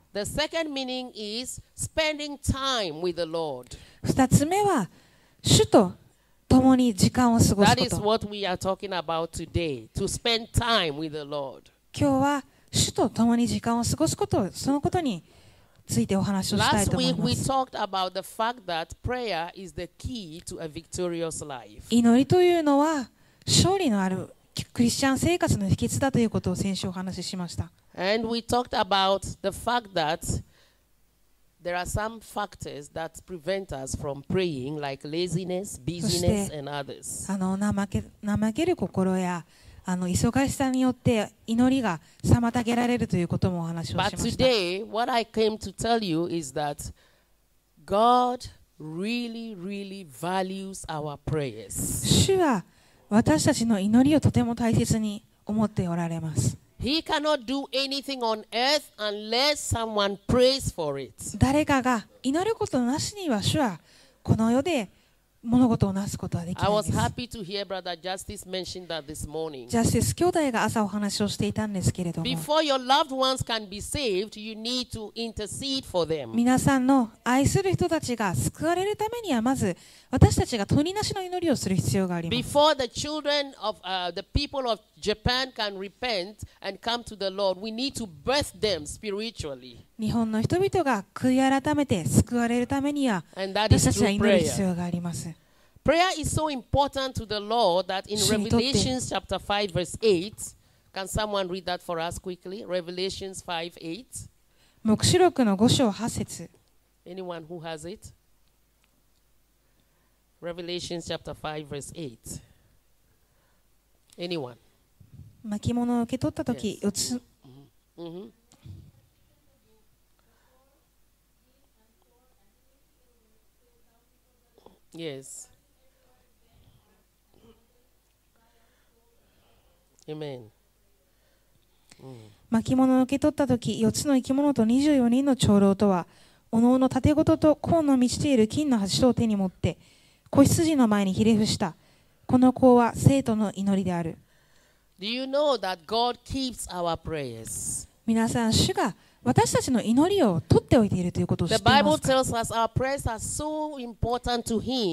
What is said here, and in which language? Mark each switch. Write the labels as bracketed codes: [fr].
[en] The second meaning is spending time with the Lord. [ja] 二つ目は主と共に時間を過ごすこと。 [en] That is what we are talking about today, to spend time with the Lord. [ja] 今日は主と共に時間を過ごすこと、そのことについてお話をしたいと思います。 [en] Last week we talked about the fact that prayer is the key to a victorious life. [ja] 祈りというのは勝利のあるクリスチャン生活の秘訣だということを先週お話ししました。 [en] And we talked about the fact that there are some factors that prevent us from praying, like laziness, busyness, and others. [ja] 怠ける心や忙しさによって祈りが妨げられるということもお話をしました。 [en] But today, what I came to tell you is that God really, really values our prayers. [ja] 主は私たちの祈りをとても大切に思っておられます。 [en] He cannot do anything on earth unless someone prays for it. [ja] 誰かが祈ることなしには主はこの世で物事をなすことはできないです。 [en] I was happy to hear Brother Justice mention that this morning. [ja] ジャスティス兄弟が朝お話をしていたんですけれども、 [en] Before your loved ones can be saved, you need to intercede for them. [ja] 皆さんの愛する人たちが救われるためにはまず私たちが取りなしの祈りをする必要があります。 [en] Before the children of the people of Japan can repent and come to the Lord, we need to birth them spiritually. [ja] 日本の人々が悔い改めて救われるためには私たちは祈る必要があります。 [en] Prayer is so important to the Lord that in Revelation chapter 5 verse 8 can someone read that for us quickly? Revelation 5:8. [ja] 黙示録の5章8節。 [en] Anyone who has it? Revelation chapter 5 verse 8. Anyone? [ja] 巻物を受け取った時、yes. 4つ、mm-hmm. [en] Yes. Amen. [ja] 巻物を受け取った時、4つの生き物と24人の長老とは、おのおの盾ごとと甲の満ちている金の柱を手に持って、子羊の前にひれ伏した。この甲は聖徒の祈りである。 [en] Do you know that God keeps our prayers? [ja] 皆さん、主が私たちの祈りを取っておいているということを知っていますか。 [en] The Bible tells us our prayers are so important to him.